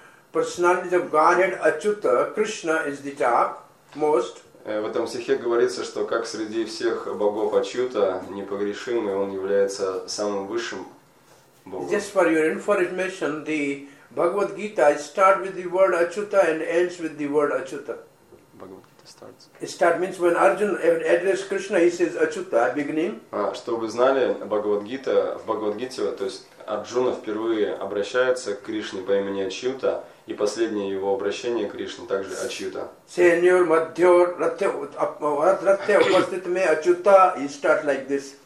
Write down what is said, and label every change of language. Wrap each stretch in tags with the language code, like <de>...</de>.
<en>Personalities of Godhead, Achyuta, Krishna is the top, most.</en> <ru>В этом стихе говорится, что как среди всех богов Ачюта непогрешимый, он является самым высшим богом.</ru> <en>Just for your information, the Bhagavad Gita starts with the word Achyuta and ends with the word Achyuta. Bhagavad Gita starts. Start means when Arjuna addresses Krishna, he says Achyuta, beginning.</en> <ru>Чтобы знали, в Бхагавад-гите, то есть Арджуна впервые обращается к Кришне по имени Ачюта, и последнее его обращение к Кришне также Ачюта. Сеньор, Мадьор, Ратте, Упаститме, Ачюта,</ru> <en>he starts like this.</en>